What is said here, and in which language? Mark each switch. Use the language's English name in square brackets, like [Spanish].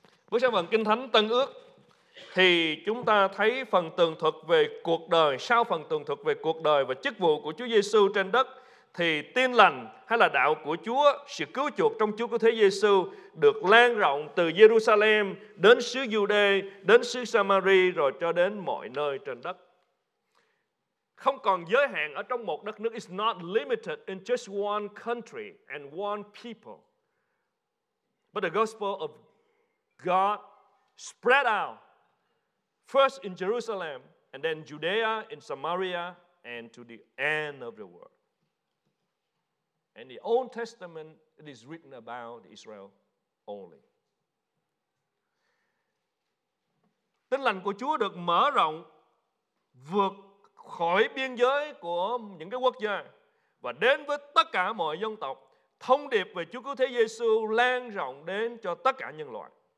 [Vietnamese] Bước sang phần Kinh Thánh Tân Ước thì chúng ta thấy phần tường thuật về cuộc đời, sau phần tường thuật về cuộc đời và chức vụ của Chúa Giê-xu trên đất thì tin lành hay là đạo của Chúa, sự cứu chuộc trong Chúa Cứu Thế Giê-xu được lan rộng từ Jerusalem đến xứ Giu-đê, đến xứ Samari rồi cho đến mọi nơi trên đất. Không còn giới hạn ở trong một đất nước. [English] It's not limited in just one country and one people. But the gospel of God spread out first in Jerusalem and then Judea, in Samaria, and to the end of the world. And the Old Testament, it is written about Israel only. [Vietnamese] Tin lành của Chúa được mở rộng vượt khỏi biên giới của những cái quốc gia và đến với tất cả mọi dân tộc. Thông điệp về Chúa Cứu Thế Giê-xu lan rộng đến cho tất cả nhân loại.